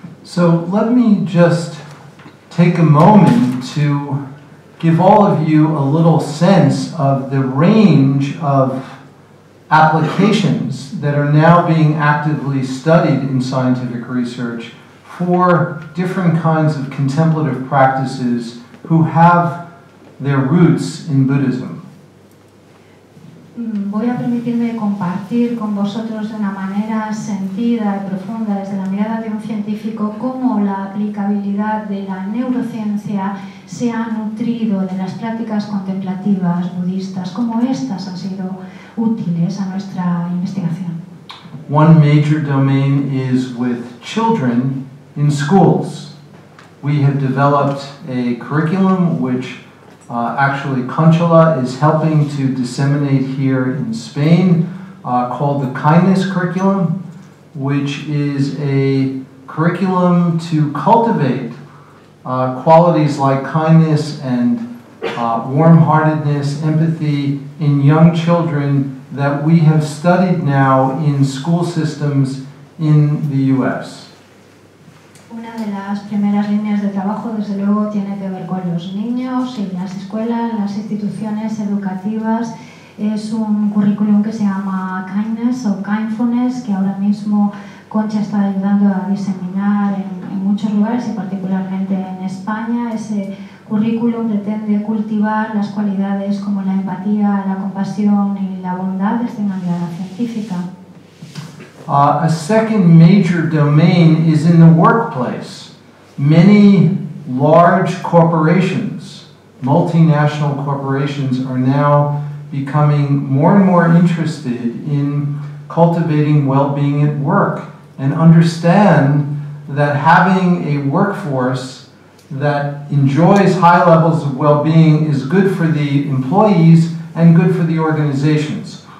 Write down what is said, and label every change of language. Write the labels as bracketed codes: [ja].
[en] So, let me just take a moment to give all of you a little sense of the range of applications that are now being actively studied in scientific research for different kinds of contemplative practices who have their roots in Buddhism. [es] Voy a permitirme compartir con vosotros de una manera sentida y profunda desde la mirada de un científico cómo la aplicabilidad de la neurociencia se ha nutrido de las prácticas contemplativas budistas, cómo estas han sido útiles a nuestra investigación. [en] One major domain is with children in schools. We have developed a curriculum which actually, Conchola is helping to disseminate here in Spain, called the Kindness Curriculum, which is a curriculum to cultivate qualities like kindness and warm-heartedness, empathy in young children that we have studied now in school systems in the U.S. [es] Una de las primeras líneas de trabajo, desde luego, tiene que ver con los niños y las escuelas, las instituciones educativas. Es un currículum que se llama Kindness o Kindfulness, que ahora mismo Koncha está ayudando a diseminar en muchos lugares y particularmente en España. Ese currículum pretende cultivar las cualidades como la empatía, la compasión y la bondad desde una mirada científica. [en] A second major domain is in the workplace. Many large corporations, multinational corporations, are now becoming more and more interested in cultivating well-being at work and understand that having a workforce that enjoys high levels of well-being is good for the employees and good for the organizations.